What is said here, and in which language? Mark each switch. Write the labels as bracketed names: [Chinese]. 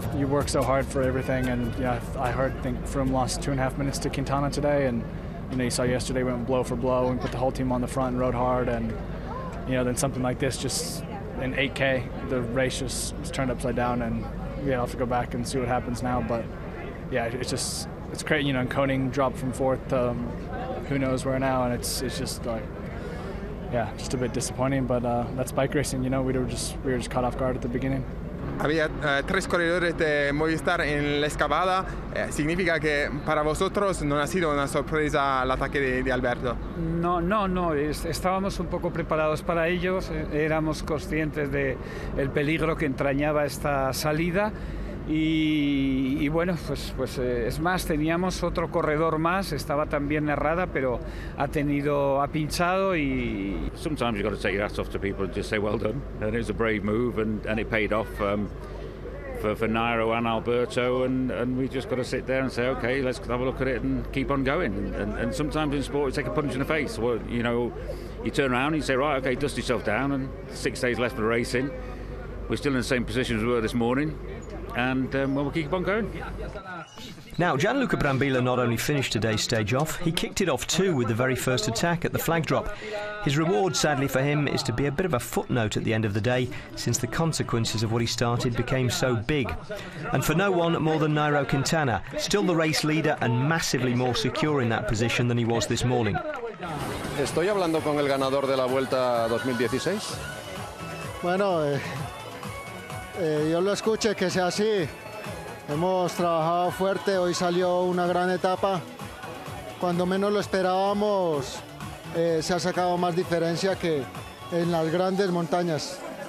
[English] You work so hard for everything, and yeah, I think Froome lost 2.5 minutes to Quintana today, and you know, you saw yesterday we went blow for blow and put the whole team on the front and rode hard, and you know, then something like this just in 8K, the race just turned upside down, and yeah, I'll have to go back and see what happens now. But yeah, it's crazy, you know. And Koning dropped from fourth to who knows where now, and it's just like, yeah, just a bit disappointing. But that's bike racing, you know. We were just caught off guard at the beginning. [Spanish] Había tres corredores de Movistar en la escapada. ¿Significa que para vosotros no ha sido una sorpresa el ataque de Alberto? No. Estábamos un poco preparados para ellos. Éramos conscientes del peligro que entrañaba esta salida. Y bueno, pues es más, teníamos otro corredor más, estaba también errada, pero ha pinchado y... [English] Sometimes you've got to take your hats off to people and just say well done. And it was a brave move, and it paid off for Nairo and Alberto, and we just got to sit there and say, okay, let's have a look at it and keep on going. And sometimes in sport, you take a punch in the face. Well, you know, you turn around and you say, right, okay, dust yourself down, and 6 days left for the racing. We're still in the same position as we were this morning. And we'll keep on going. Now, Gianluca Brambilla not only finished today's stage off, he kicked it off too with the very first attack at the flag drop. His reward, sadly for him, is to be a bit of a footnote at the end of the day, since the consequences of what he started became so big. And for no one more than Nairo Quintana, still the race leader and massively more secure in that position than he was this morning. [Spanish] Estoy hablando con el ganador de la Vuelta 2016. Bueno. Yo lo escuché que sea así. Hemos trabajado fuerte, hoy salió una gran etapa. Cuando menos lo esperábamos, se ha sacado más diferencia que en las grandes montañas.